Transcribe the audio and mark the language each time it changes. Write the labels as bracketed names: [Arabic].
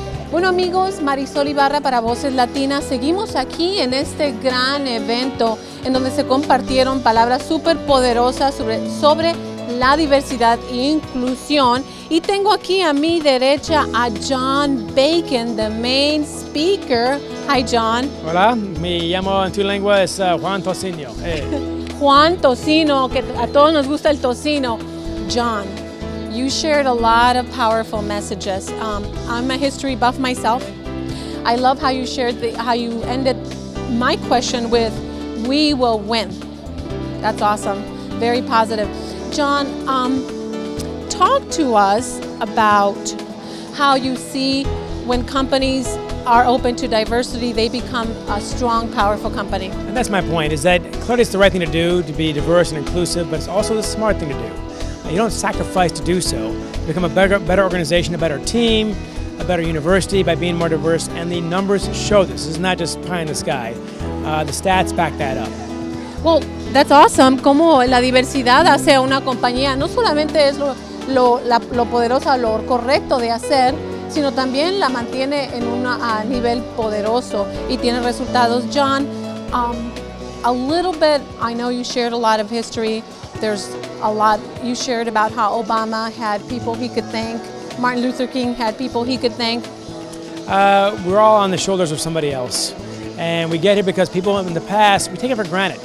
[Spanish] Bueno, amigos, Marisol Ibarra para Voces Latinas. Seguimos aquí en este gran evento en donde se compartieron palabras súper poderosas sobre la diversidad e inclusión. Y tengo aquí a mi derecha a John Bacon, [English] the main speaker. Hi, John. [Spanish] Hola, me llamo en tu lengua es Juan Tocino. [English] Hey. [Spanish] Juan Tocino, que a todos nos gusta el tocino. [English] John, you shared a lot of powerful messages. I'm a history buff myself. I love how you shared how you ended my question with, "We will win." That's awesome. Very positive. John, talk to us about how you see when companies are open to diversity, they become a strong, powerful company. And that's my point, is that clearly it's the right thing to do, to be diverse and inclusive, but it's also the smart thing to do. You don't sacrifice to do so. You become a better organization, a better team, a better university by being more diverse, and the numbers show this. This is not just pie in the sky. The stats back that up. Well, that's awesome. [Spanish] Como la diversidad hace a una compañía, no solamente es lo poderoso, lo correcto de hacer, sino también la mantiene en un nivel poderoso y tiene resultados. [English] John, a little bit, I know you shared a lot of history. There's a lot you shared about how Obama had people he could thank. Martin Luther King had people he could thank. We're all on the shoulders of somebody else. And we get here because people in the past, we take it for granted.